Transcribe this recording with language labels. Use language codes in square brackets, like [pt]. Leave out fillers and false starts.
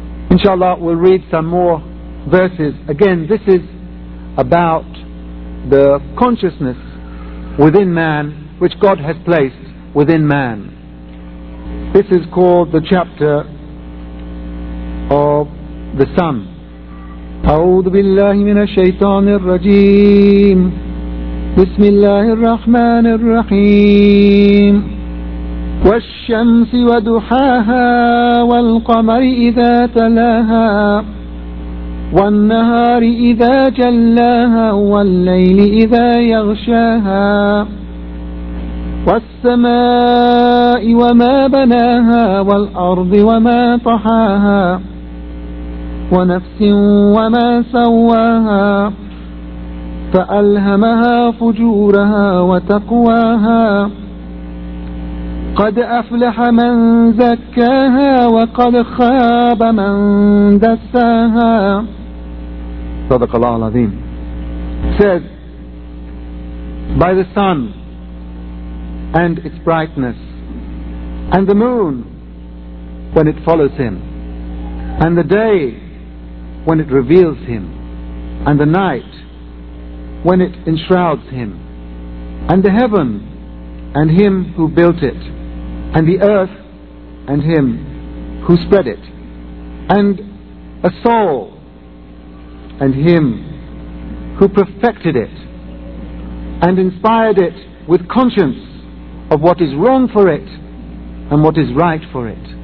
[en] Inshallah, we'll read some more verses. Again, this is about the consciousness within man, which God has placed within man. This is called the chapter of the sun. [ar] أعوذ بالله من الشيطان الرجيم بسم الله الرحمن الرحيم والشمس ودحاها والقمر إذا تلاها والنهار إذا جلاها والليل إذا يغشاها والسماء وما بناها والأرض وما طحاها ونفس وما سواها فألهمها فجورها وتقواها قد أفلح من زكاها وقد خاب من دساها. صدق الله العظيم. [en] Says, by the sun and its brightness, and the moon when it follows him, and the day when it reveals him, and the night when it enshrouds him, and the heaven and him who built it, and the earth and him who spread it, and a soul and him who perfected it and inspired it with conscience of what is wrong for it and what is right for it.